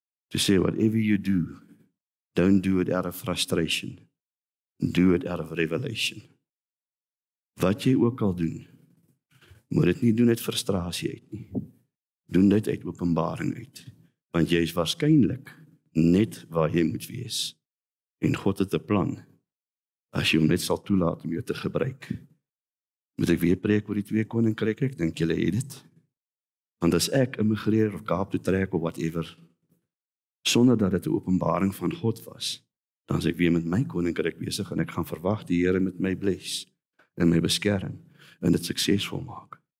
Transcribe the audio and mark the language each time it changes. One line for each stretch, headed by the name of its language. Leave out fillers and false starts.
English: To say, whatever you do, don't do it out of frustration. Do it out of revelation.
Afrikaans: Wat jy ook al doen, moet dit nie doen uit frustrasie uit nie. Doen dit uit openbaring uit. want jy is waarskynlik net waar jy moet wees. En God het 'n plan, as jy hom net sal toelaat om jou te gebruik. Moet ek weer preek oor die twee koninkryke? Ek dink julle het dit. Want as ek immigreer of Kaap toe trek of whatever, sonder dat dit 'n openbaring van God was, dan is ek weer met my koninkryk besig en ek gaan verwag die Here met my bless en my beskerm en dit suksesvol maak.